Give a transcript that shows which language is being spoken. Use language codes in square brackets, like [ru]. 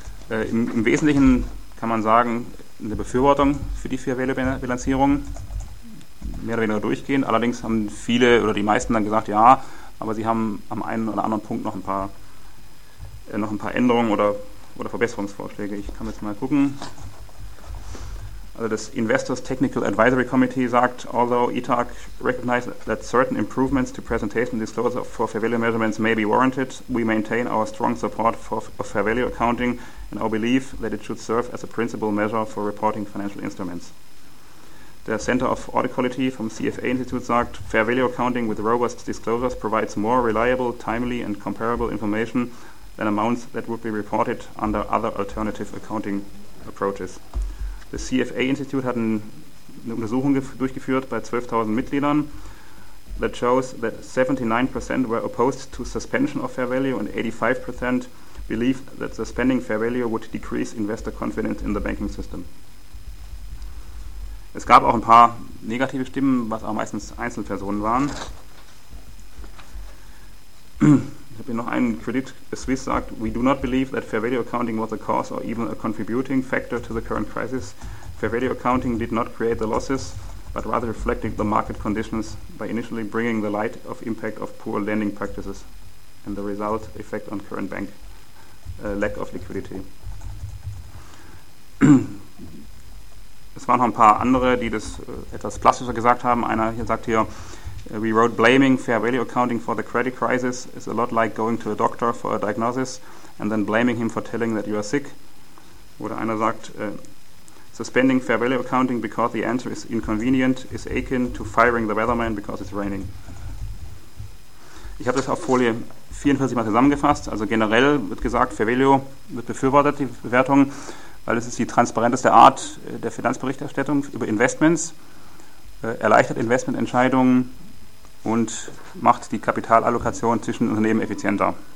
[de] Im Wesentlichen kann man sagen, eine Befürwortung für die Vier-Wähler-Bilanzierung mehr oder weniger durchgehen. Allerdings haben viele oder die meisten dann gesagt, ja, aber sie haben am einen oder anderen Punkt noch ein paar Änderungen oder Verbesserungsvorschläge. Ich kann jetzt mal gucken. Also das Investors Technical Advisory Committee sagt, [en] although ETAC recognizes that certain improvements to presentation disclosure for fair value measurements may be warranted, we maintain our strong support for fair value accounting and our belief that it should serve as a principal measure for reporting financial instruments. The Center of Audit Quality [de] vom CFA Institute sagt, [en] fair value accounting with robust disclosures provides more reliable, timely and comparable information than amounts that would be reported under other alternative accounting approaches. [de] Das CFA-Institut hat eine Untersuchung durchgeführt bei 12.000 Mitgliedern, [en] that shows that 79% were opposed to suspension of fair value and 85% believed that suspending fair value would decrease investor confidence in the banking system. [de] Es gab auch ein paar negative Stimmen, was auch meistens Einzelpersonen waren. Ich habe hier noch einen. [en] Credit Suisse [de] sagt, [en] we do not believe that fair value accounting was a cause or even a contributing factor to the current crisis. Fair value accounting did not create the losses, but rather reflected the market conditions by initially bringing the light of impact of poor lending practices and the result effect on current bank lack of liquidity. [de] Es waren noch ein paar andere, die das etwas plastischer gesagt haben. Einer hier sagt hier, [en] we wrote, blaming fair value accounting for the credit crisis is a lot like going to a doctor for a diagnosis and then blaming him for telling that you are sick. [de] Oder einer sagt, [en] suspending fair value accounting because the answer is inconvenient is akin to firing the weatherman because it's raining. [de] Ich habe das auf Folie 44 mal zusammengefasst. Also generell wird gesagt, fair value wird befürwortet, die Bewertung, weil es ist die transparenteste Art der Finanzberichterstattung über Investments, erleichtert Investmententscheidungen und macht die Kapitalallokation zwischen Unternehmen effizienter.